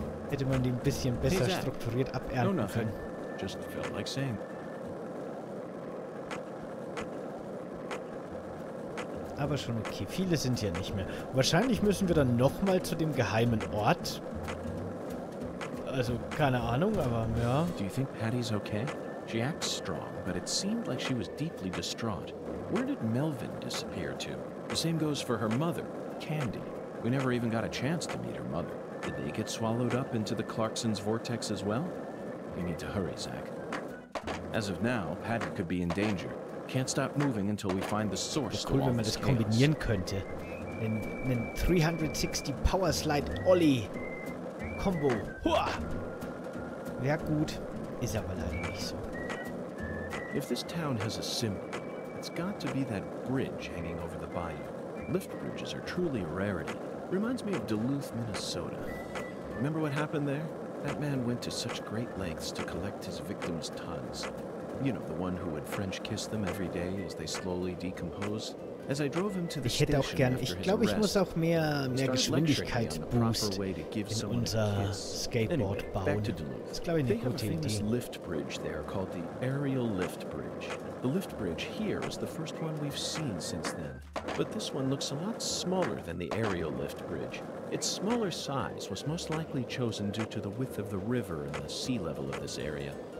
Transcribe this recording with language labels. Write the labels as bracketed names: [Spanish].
[German] Hätte man die ein bisschen besser strukturiert abernten können. [English] Just felt like saying. [German] Aber schon okay. Viele sind ja nicht mehr. Wahrscheinlich müssen wir dann nochmal zu dem geheimen Ort. Also, keine Ahnung, aber ja. [English] Do you think Patty's okay? She acts strong, but it seemed like she was deeply distraught. Where did Melvin disappear to? The same goes for her mother, Candy. We never even got a chance to meet her mother. Did they get swallowed up into the Clarkson's vortex as well? You need to hurry, Zack. As of now, Patty could be in danger. Can't stop moving until we find the source to all this chaos. [German] Cool, wenn man das kombinieren könnte. Einen 360 Power Slide Ollie. Combo. Ja, gut, ist aber leider nicht so. [English] If this town has a symbol, it's got to be that bridge hanging over the bayou. Lift bridges are truly a rarity. Reminds me of Duluth, Minnesota. Remember what happened there? That man went to such great lengths to collect his victims' tongues. You know, the one who would French kiss them every day as they slowly decompose. [German] Ich hätte auch gern, ich glaube, ich muss auch mehr Geschwindigkeit Boost in unser Skateboard bauen. Das ist, glaube ich, eine gute Idee. [English] Lift Bridge there called the Aerial Lift Bridge. The lift bridge here is the first one we've seen since then. But this one looks a lot smaller than the aerial lift bridge. Its smaller size was most likely chosen due to the width of the river and the sea level of this area.